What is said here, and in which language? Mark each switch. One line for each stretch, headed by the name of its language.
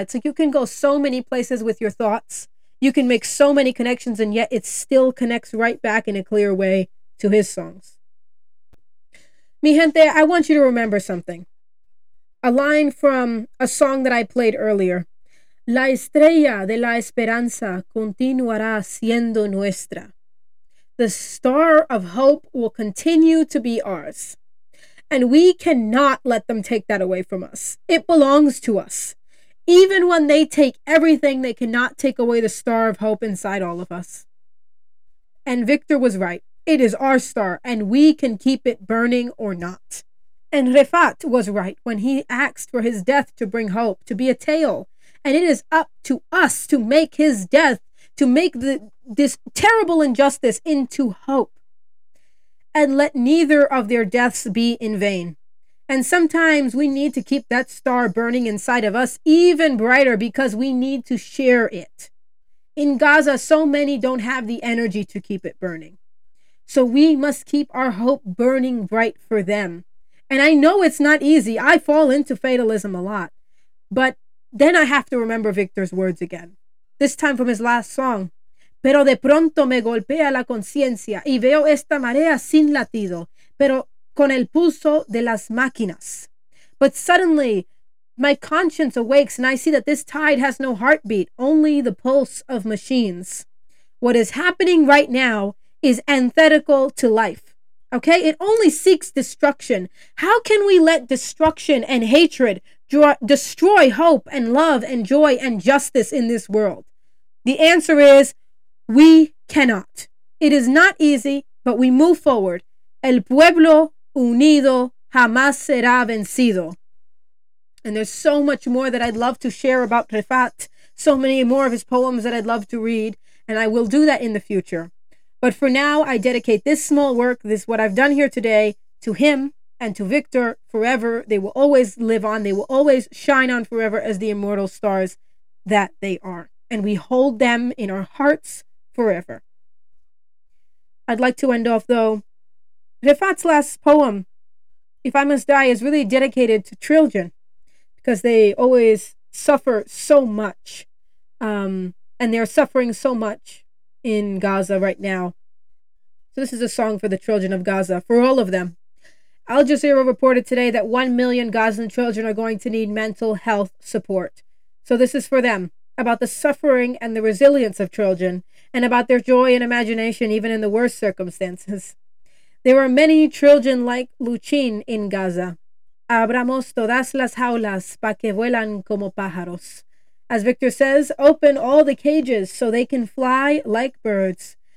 English: It's like you can go so many places with your thoughts. You can make so many connections, and yet it still connects right back in a clear way to his songs.
Spanish: Mi gente,
English: I want you to remember something. A line from a song that I played earlier.
Spanish: La estrella de la esperanza continuará siendo nuestra.
English: The star of hope will continue to be ours. And we cannot let them take that away from us. It belongs to us. Even when they take everything, they cannot take away the star of hope inside all of us. And Victor was right. It is our star, and we can keep it burning or not. And Refat was right when he asked for his death to bring hope, to be a tale. And it is up to us to make his death, to make this terrible injustice into hope. And let neither of their deaths be in vain. And sometimes we need to keep that star burning inside of us even brighter, because we need to share it. In Gaza, so many don't have the energy to keep it burning. So we must keep our hope burning bright for them. And I know it's not easy. I fall into fatalism a lot. But then I have to remember Victor's words again. This time from his last song.
Spanish: Pero de pronto me golpea la conciencia y veo esta marea sin latido, pero con el pulso de las máquinas.
English: But suddenly, my conscience awakes and I see that this tide has no heartbeat, only the pulse of machines. What is happening right now is antithetical to life. Okay, it only seeks destruction. How can we let destruction and hatred destroy hope and love and joy and justice in this world? The answer is, we cannot. It is not easy, but we move forward.
Spanish: El pueblo unido jamás será vencido.
English: And there's so much more that I'd love to share about Refat, so many more of his poems that I'd love to read, and I will do that in the future. But for now, I dedicate this small work, this what I've done here today, to him and to Victor forever. They will always live on. They will always shine on forever as the immortal stars that they are. And we hold them in our hearts forever. I'd like to end off, though. Refat's last poem, If I Must Die, is really dedicated to children because they always suffer so much. And they're suffering so much in Gaza right now. So this is a song for the children of Gaza, for all of them. Al Jazeera reported today that 1 million Gazan children are going to need mental health support. So this is for them, about the suffering and the resilience of children, and about their joy and imagination even in the worst circumstances. There are many children like Luchin in Gaza.
Spanish: Abramos todas las jaulas para que vuelan como pájaros.
English: As Victor says, open all the cages so they can fly like birds.